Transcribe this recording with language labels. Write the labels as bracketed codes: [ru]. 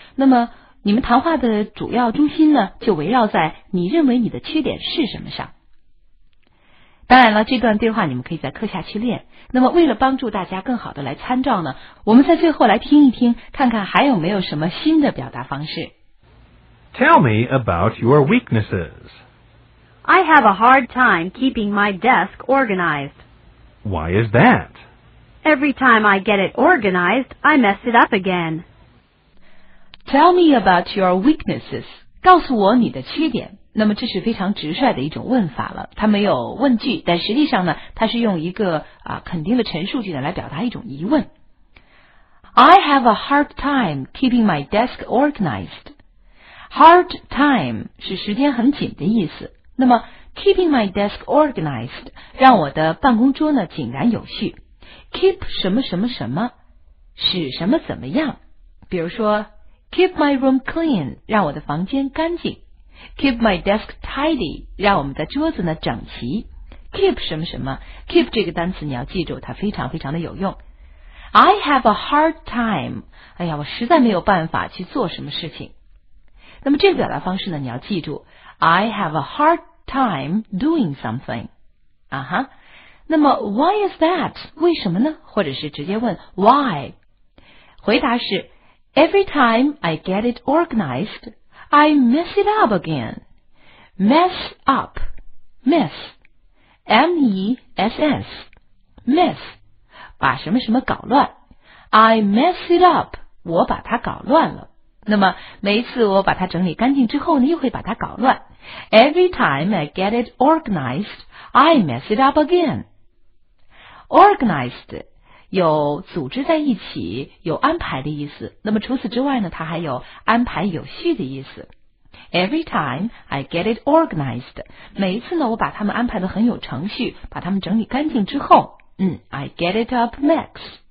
[zh] 那么你们谈话的主要中心呢，就围绕在你认为你的缺点是什么上。当然了，这段对话你们可以在课下去练。那么为了帮助大家更好的来参照呢，我们在最后来听一听，看看还有没有什么新的表达方式。 [en] Tell me about your weaknesses. I have a hard time keeping my desk organized. Why is that? Every time I get it organized, I mess it up again. Tell me about your weaknesses. [zh] 告诉我你的缺点。那么这是非常直率的一种问法了。它没有问句，但实际上呢，它是用一个肯定的陈述句来表达一种疑问。 [en] I have a hard time keeping my desk organized. Hard time [zh] 是时间很紧的意思。那么 [en] keeping my desk organized [zh] 让我的办公桌呢井然有序。 Keep 什么什么什么，使什么怎么样？比如说 ， [en] Keep my room clean， [zh] 让我的房间干净 ； [en] Keep my desk tidy， [zh] 让我们的桌子呢整齐。 Keep 什么什么 ？Keep 这个单词你要记住，它非常非常的有用。 [en] I have a hard time， [zh] 哎呀，我实在没有办法去做什么事情。那么这个表达方式呢，你要记住 ， [en] I have a hard time doing something。啊哈。 [zh] 那么 [en] why is that? [zh] 为什么呢？或者是直接问 why? 回答是 [en] Every time I get it organized, I mess it up again. Mess up. Mess. M-E-S-S. Mess. [zh] 把什么什么搞乱。 [en] I mess it up. [zh] 我把它搞乱了。那么每一次我把它整理干净之后呢，又会把它搞乱。 [en] Every time I get it organized, I mess it up again. [zh] Organized 有组织在一起、有安排的意思。那么除此之外呢，它还有安排有序的意思。 [en] Every time I get it organized, [zh] 每一次呢，我把它们安排得很有程序，把它们整理干净之后， [en] I get it up next.